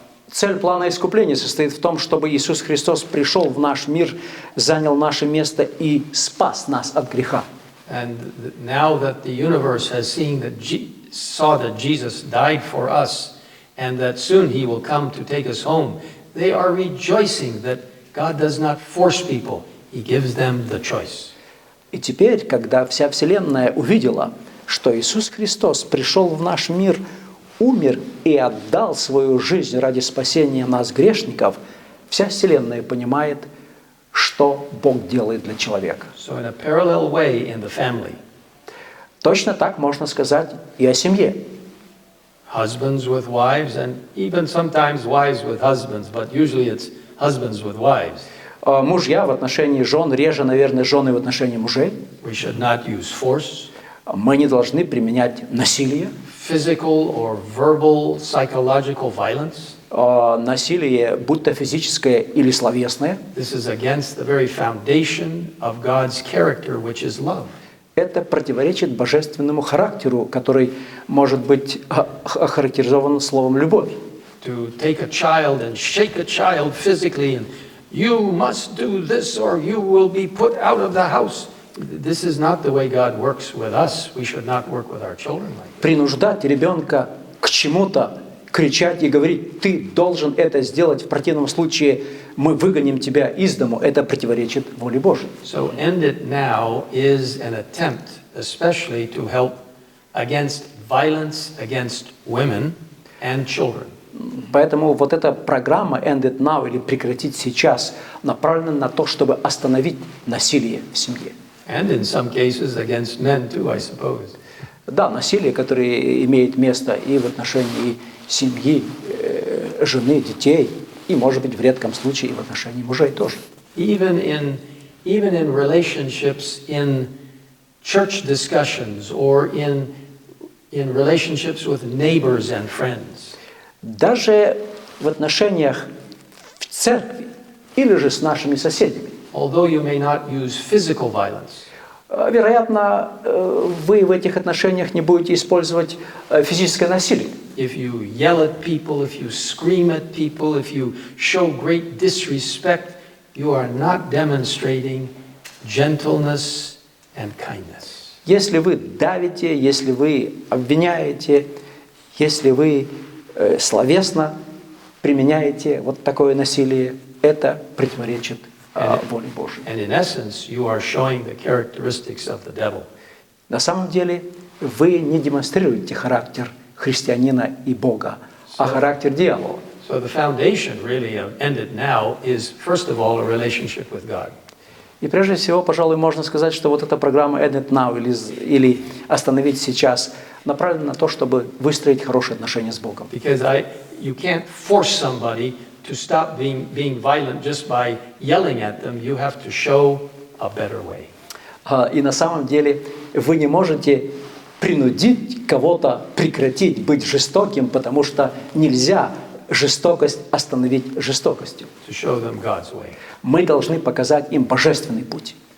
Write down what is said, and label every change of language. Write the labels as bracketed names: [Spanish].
[Russian] Цель плана искупления состоит в том, чтобы Иисус Христос пришел в наш мир, занял наше место и спас нас от греха. [English] And now that the universe has seen that saw that Jesus died for us and that soon he will come to take us home, they are rejoicing that God does not force people, he gives them the choice. [Russian] И теперь, когда вся вселенная увидела, что Иисус Христос пришел в наш мир, умер и отдал свою жизнь ради спасения нас, грешников, вся вселенная понимает, что Бог делает для человека. [English] So in a parallel way in the family. [Russian] Точно так можно сказать и о семье. [English] Husbands with wives, and even sometimes wives with husbands, but usually it's husbands with wives. [Russian] Мужья в отношении жен, реже, наверное, жены в отношении мужей. [English] We should not use force. [Russian] Мы не должны применять насилие. [English] Physical or verbal, psychological violence. [Russian] Насилие, будь то физическое или словесное. [English] This is against the very foundation of God's character, which is love. [Russian] Это противоречит божественному характеру, который может быть охарактеризован словом любовь. [English] To take a child and shake a child physically, and you must do this or you will be put out of the house. This is not the way God works with us. We should not work with our children like this. [Russian] Принуждать ребенка к чему-то, кричать и говорить, ты должен это сделать, в противном случае мы выгоним тебя из дому, это противоречит воле Божьей. [English] So end it now is an attempt, especially to help against violence against women and children. [Russian] Поэтому вот эта программа End It Now или прекратить сейчас направлена на то, чтобы остановить насилие в семье. [English] And in some cases against men too, I suppose. [Russian] Да, насилие, которое имеет место и в отношении семьи, жены, детей, и, может быть, в редком случае, и в отношении мужей тоже. [English] Even in relationships in church discussions or in relationships with neighbors and friends. [Russian] Даже в отношениях в церкви или же с нашими соседями. [English] Although you may not use physical violence. [Russian] Вероятно, вы в этих отношениях не будете использовать физическое насилие. [English] If you yell at people, if you scream at people, if you show great disrespect, you are not demonstrating gentleness and kindness. [Russian] Если вы давите, если вы обвиняете, если вы словесно применяете вот такое насилие, это противоречит воле Божьей. [English] And in essence, you are showing the characteristics of the devil. [Russian] На самом деле, вы не демонстрируете характер христианина и Бога, а характер дьявола. [English] So the foundation really of ended now is first of all a relationship with God. [Russian] И прежде всего, пожалуй, можно сказать, что вот эта программа End It Now или Остановить сейчас направлена на то, чтобы выстроить хорошие отношения с Богом. [English] Because you can't force somebody to stop being violent just by yelling at them. You have to show a better way. [Russian] И на самом деле вы не можете принудить кого-то прекратить быть жестоким, потому что нельзя жестокость остановить жестокостью. [English] To show them God's way. [Russian] Мы должны показать им божественный путь.